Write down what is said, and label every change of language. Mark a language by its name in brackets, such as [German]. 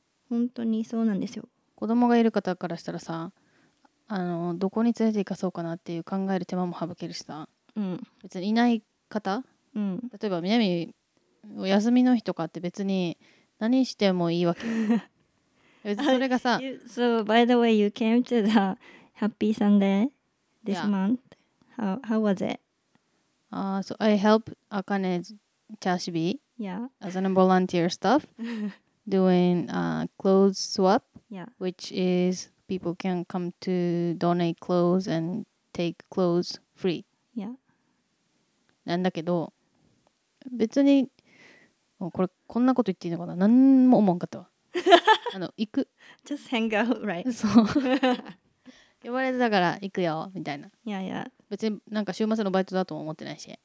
[Japanese] 本当にそうなんですよ。子供がいる方からしたらさ、あの、どこに連れて行かそうかなっていう考える手間も省けるしさ。うん。別にいない方、うん。例えば南、お休みの日とかって別に何してもいいわけ。それがさ、 [English] so by the way, you came to the happy Sunday this、yeah. month. How was it? So I helped Akane Chashibi、 yeah. as a volunteer staff doing a clothes swap,、 yeah. which is people can come to donate clothes and take clothes free. Yeah. [Japanese] なんだけど、別にこれこんなこと言っていいのかな、何も思わんかったわ。あの行く [English] just hang out right [Japanese] そう呼ばれてたから行くよみたいな、いやいや別になんか週末のバイトだとも思ってないし、